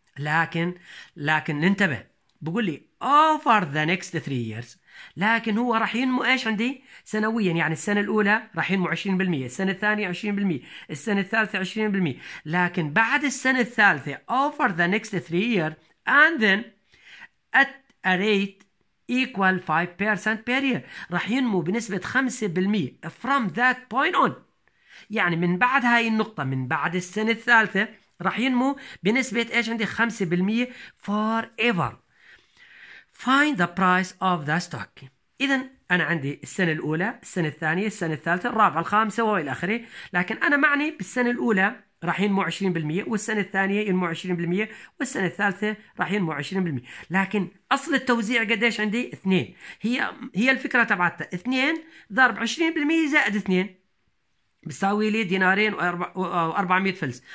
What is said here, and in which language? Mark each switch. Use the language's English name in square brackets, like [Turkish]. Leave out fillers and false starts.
[Arabic] لكن ننتبه، بقول لي [English] over the next 3 years، [Arabic] لكن هو راح ينمو ايش عندي؟ سنويا، يعني السنه الاولى راح ينمو 20%، السنه الثانيه 20%، السنه الثالثه 20%، لكن بعد السنه الثالثه [English] over the next 3 years and then at a rate equal 5% per year [Arabic] راح ينمو بنسبة 5% [English] from that point on. [Arabic] يعني من بعد هاي النقطة، من بعد السنة الثالثة راح ينمو بنسبة ايش عندي؟ [English] 5% forever. Find the price of the stock. [Arabic] اذا انا عندي السنة الاولى، السنة الثانية، السنة الثالثة، الرابعة، الخامسة والى اخره، لكن انا معني بالسنة الاولى راح ينمو 20%، والسنة الثانية ينمو 20%، والسنة الثالثة راح ينمو 20%. لكن أصل التوزيع قديش عندي؟ 2. هي الفكرة تبعتها 2 ضرب 20% زائد 2 بيساوي لي دينارين و400 فلس.